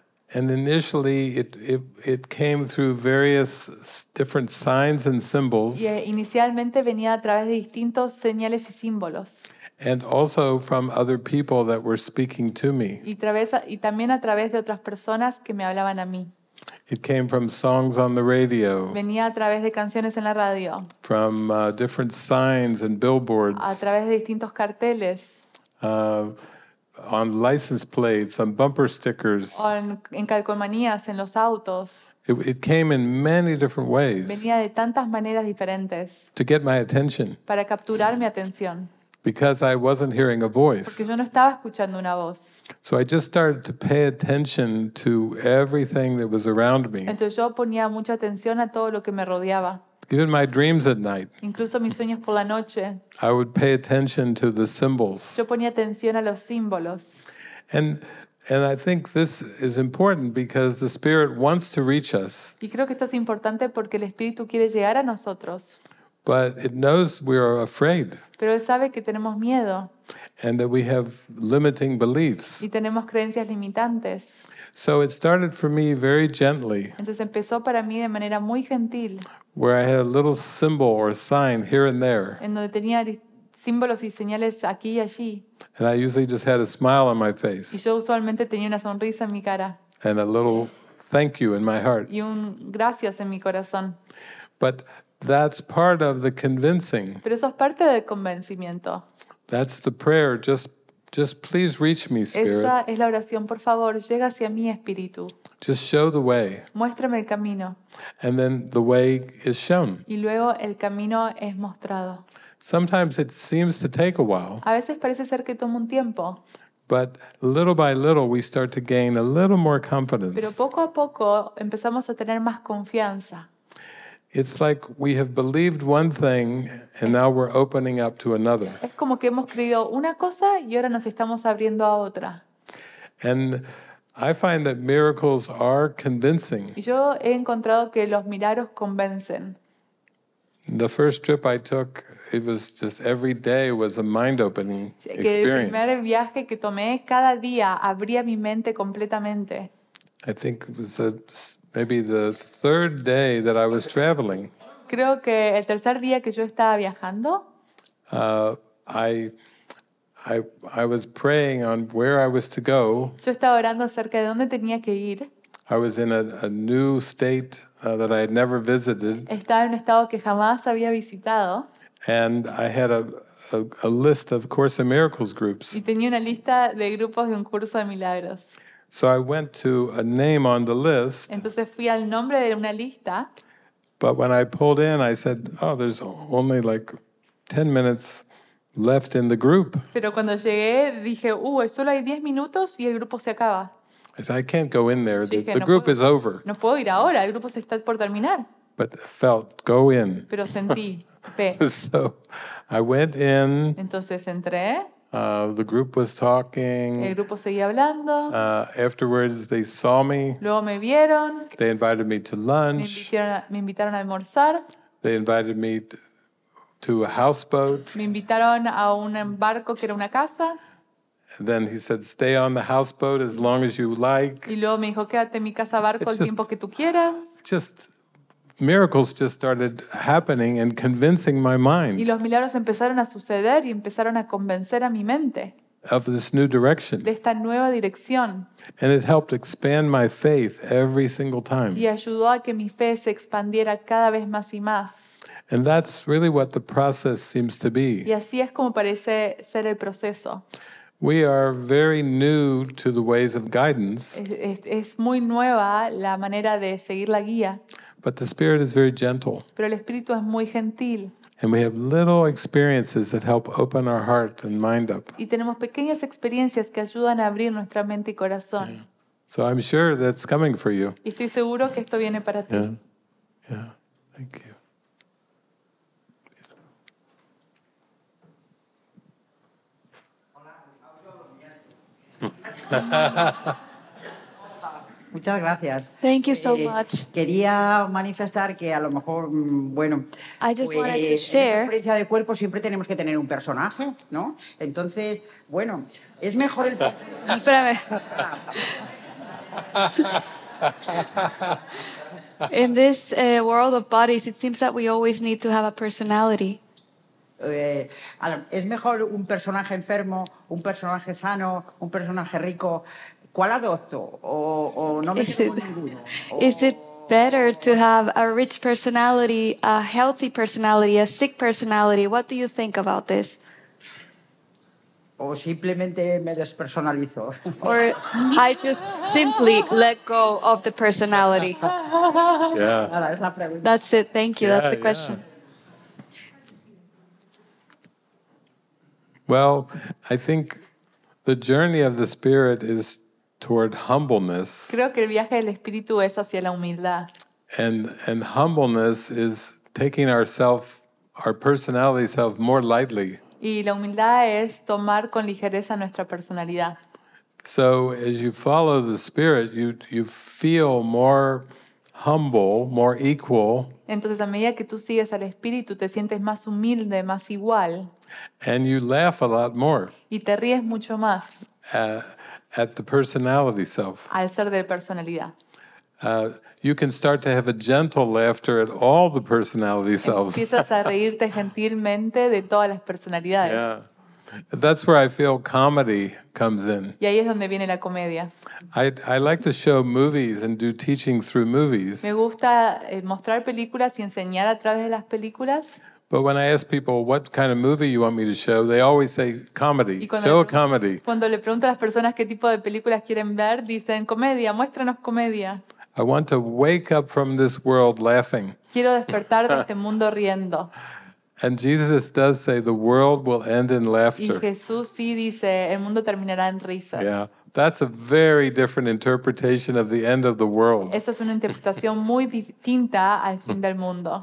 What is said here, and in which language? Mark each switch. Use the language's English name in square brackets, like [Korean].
[English] And initially, it came through various different signs and symbols. [Spanish] Y inicialmente venía a través de distintos señales y símbolos. [English] And also from other people that were speaking to me. [Spanish] Y también a través de otras personas que me hablaban a mí. [English] It came from songs on the radio. [Spanish] Venía a través de canciones en la radio. [English] From different signs and billboards. [Spanish] A través de distintos carteles. [English] On license plates, on bumper stickers. [Spanish] En calcomanías, en los autos. [English] It came in many different ways. [Spanish] Venía de tantas maneras diferentes. [English] To get my attention. [Spanish] Para capturar mi atención. [English] Because I wasn't hearing a voice. [Spanish] Porque yo no estaba escuchando una voz. [English] So I just started to pay attention to everything that was around me. [Spanish] Entonces yo ponía mucha atención a todo lo que me rodeaba. [English] Even my dreams at night. [Spanish] Incluso mis sueños por la noche. [English] I would pay attention to the symbols. [Spanish] Yo ponía atención a los símbolos. [English] And I think this is important because the Spirit wants to reach us. [Spanish] Y creo que esto es importante porque el Espíritu quiere llegar a nosotros. [English] But it knows we are afraid. [Spanish] Pero él sabe que tenemos miedo. [English] And that we have limiting beliefs. [Spanish] Y tenemos creencias limitantes. [English] So it started for me very gently. [Spanish] Entonces empezó para mí de manera muy gentil. [English] Where I had a little symbol or sign here and there. [Spanish] En donde tenía símbolos y señales aquí y allí. [English] And I usually just had a smile on my face. [Spanish] Y yo usualmente tenía una sonrisa en mi cara. [English] And a little thank you in my heart. [Spanish] Y un gracias en mi corazón. [English] But that's part of the convincing. [Spanish] Pero eso es parte del convencimiento. [English] That's the prayer, just please reach me, Spirit. [Spanish] Esa es la oración, por favor, llega hacia mí, Espíritu. [English] Just show the way. [Spanish] Muéstrame el camino. [English] And then the way is shown. [Spanish] Y luego el camino es mostrado. [English] Sometimes it seems to take a while. [Spanish] A veces parece ser que toma un tiempo. [English] But little by little we start to gain a little more confidence. [Spanish] Pero poco a poco empezamos a tener más confianza. [English] It's like we have believed one thing and now we're opening up to another. [Spanish] Es como que hemos creído una cosa y ahora nos estamos abriendo a otra. [English] And I find that miracles are convincing. [Spanish] Yo he encontrado que los milagros convencen. [English] The first trip I took, it was just every day was a mind-opening experience. [Spanish] El primer viaje que tomé, cada día abría mi mente completamente. [English] I think it was maybe the third day that I was traveling. [Spanish] Creo que el tercer día que yo estaba viajando. [English] I I was praying on where I was to go. [Spanish] Yo estaba orando acerca de dónde tenía que ir. [English] I was in a new state that I had never visited. [Spanish] Estaba en un estado que jamás había visitado. [English] And I had a list of Course in Miracles groups. [Spanish] Y tenía una lista de grupos de un curso de milagros. [English] So I went to a name on the list. [Spanish] Entonces fui al nombre de una lista. [English] But when I pulled in, I said, "Oh, there's only like 10 minutes left in the group." [Spanish] Pero cuando llegué dije, solo hay 10 minutos y el grupo se acaba. [English] I said, "I can't go in there. The group is over." [Spanish] No puedo ir ahora. El grupo se está por terminar. [English] But felt, go in. [Spanish] Pero sentí, ve. [English] So I went in. [Spanish] Entonces entré. [English] The group was talking. [Spanish] El grupo seguía hablando. [English] Afterwards, they saw me. [Spanish] Luego me vieron. [English] They invited me to lunch. [Spanish] Me invitaron a almorzar. [English] They invited me to a houseboat. [Spanish] Me invitaron a un barco que era una casa. [English] And then he said, "Stay on the houseboat as long as you like." [Spanish] Y luego me dijo, "Quédate en mi casa barco el tiempo que tú quieras." [English] Just miracles just started happening and convincing my mind. [Spanish] Y los milagros empezaron a suceder y empezaron a convencer a mi mente. [English] Of this new direction. [Spanish] De esta nueva dirección. [English] And it helped expand my faith every single time. [Spanish] Y ayudó a que mi fe se expandiera cada vez más y más. [English] And that's really what the process seems to be. [Spanish] Y así es como parece ser el proceso. [English] We are very new to the ways of guidance. [Spanish] Es muy nueva la manera de seguir la guía. [English] But the spirit is very gentle. [Spanish] Pero el espíritu es muy gentil. [English] And we have little experiences that help open our heart and mind up. [Spanish] Y tenemos pequeñas experiencias que ayudan a abrir nuestra mente y corazón. [English] Yeah. So I'm sure that's coming for you. [Spanish] Y estoy seguro que esto viene para ti. [English] Yeah. Thank you. [Spanish] Muchas gracias. [English] Thank you so much. [Spanish] Quería manifestar que a lo mejor, bueno, [English] I just wanted to share. [Spanish] En la experiencia de cuerpo siempre tenemos que tener un personaje, ¿no? Entonces, bueno, es mejor el... Espérame. [English] In this world of bodies, it seems that we always need to have a personality. [Spanish] Es mejor un personaje enfermo, un personaje sano, un personaje rico. ¿Cuál adopto? O no me quedo con ninguno. [English] Is it better to have a rich personality, a healthy personality, a sick personality? What do you think about this? [Spanish] O simplemente me despersonalizo. [English] Or I just simply let go of the personality. Yeah. That's it. Thank you. Yeah, that's the question. Yeah. Well, I think the journey of the spirit is toward humbleness. [Spanish] Creo que el viaje del espíritu es hacia la humildad. [English] And humbleness is taking our personality self more lightly. [Spanish] Y la humildad es tomar con ligereza nuestra personalidad. [English] So as you follow the spirit, you feel more humble, more equal. [Spanish] Entonces a medida que tú sigues al espíritu, te sientes más humilde, más igual. [English] And you laugh a lot more. [Spanish] Y te ríes mucho más. [English] At the personality self. [Spanish] Al ser de personalidad. [English] You can start to have a gentle laughter at all the personality selves. [Spanish] Empiezas a reírte gentilmente de todas las personalidades. [English] Yeah. That's where I feel comedy comes in. [Spanish] Y ahí es donde viene la comedia. [English] I like to show movies and do teaching through movies. [Spanish] Me gusta mostrar películas y enseñar a través de las películas. [English] But when I ask people what kind of movie you want me to show, they always say comedy. Show a comedy. [Spanish] Cuando le pregunto a las personas qué tipo de películas quieren ver, dicen comedia. Muéstranos comedia. [English] I want to wake up from this world laughing. [Spanish] Quiero despertar de este mundo riendo. [English] And Jesus does say the world will end in laughter. [Spanish] Y Jesús sí dice el mundo terminará en risas. [English] Yeah, that's a very different interpretation of the end of the world. [Spanish] Esa es una interpretación muy distinta al fin del mundo.